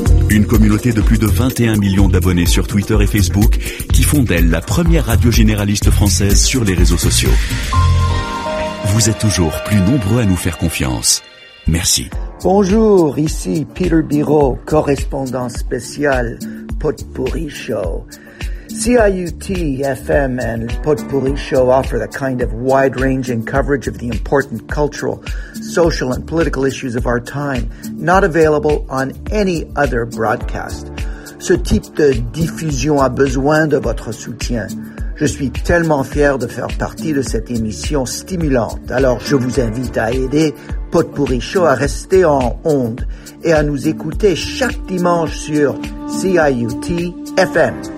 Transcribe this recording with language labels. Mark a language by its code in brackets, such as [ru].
[fr] Une communauté de plus de 21 millions d'abonnés sur Twitter et Facebook qui font d'elle la première radio généraliste française sur les réseaux sociaux. Vous êtes toujours plus nombreux à nous faire confiance. Merci. Bonjour, ici Peter Biro, correspondant spécial Potpourri Show. [en] CIUT FM and Potpourri Show offer the kind of wide-ranging coverage of the important cultural, social, and political issues of our time, not available on any other broadcast. [fr] Ce type de diffusion a besoin de votre soutien. Je suis tellement fier de faire partie de cette émission stimulante. Alors, je vous invite à aider Potpourri Show à rester en onde et à nous écouter chaque dimanche sur CIUT FM.